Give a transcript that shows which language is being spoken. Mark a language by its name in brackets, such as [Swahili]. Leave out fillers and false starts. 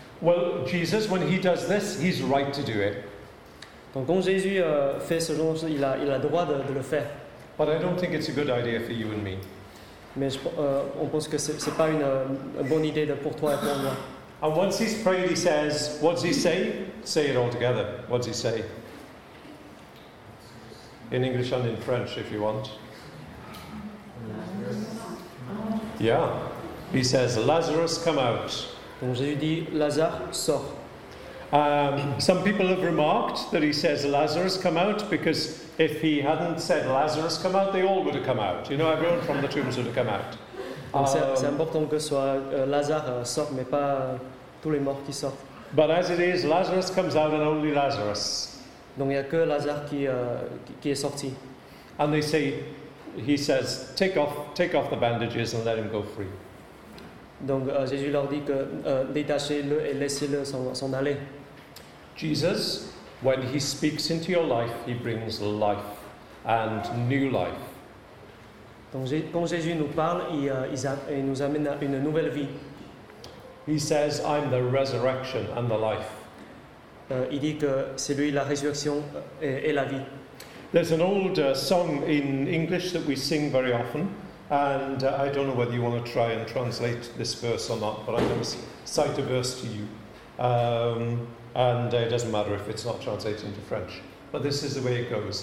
[English] Well, Jesus, when he does this, he's right to do it. [French] Donc Jésus fait ce genre de choses, il a le droit de le faire. [English] But I don't think it's a good idea for you and me. [French] Mais on pense que c'est pas une bonne idée pour toi et pour moi. [English] And once he's prayed, he says, what does he say? Say it all together. What does he say? In English and in French, if you want. Yeah. He says, Lazarus, come out. [French] Donc Jésus dit, Lazare, sors. [English] Some people have remarked that he says, Lazarus, come out, because if he hadn't said, Lazarus, come out, they all would have come out. You know, everyone from the tombs would have come out. [French] C'est important que soit Lazare sort, mais pas tous les morts qui sortent. [English] But as it is, Lazarus comes out and only Lazarus. [French] Donc il n'y a que Lazare qui est sorti. [English] And they say, he says, take off the bandages and let him go free. [French] Donc Jésus leur dit que détachez-le et laissez-le s'en aller. [English] Jesus, when he speaks into your life, he brings life and new life. [French] Donc quand Jésus nous parle, il nous amène à une nouvelle vie. [English] He says, I'm the resurrection and the life. [French] Il dit que c'est lui la résurrection et la vie. [English] There's an old song in English that we sing very often. And I don't know whether you want to try and translate this verse or not, but I'm going to cite a verse to you. It doesn't matter if it's not translated into French. But this is the way it goes.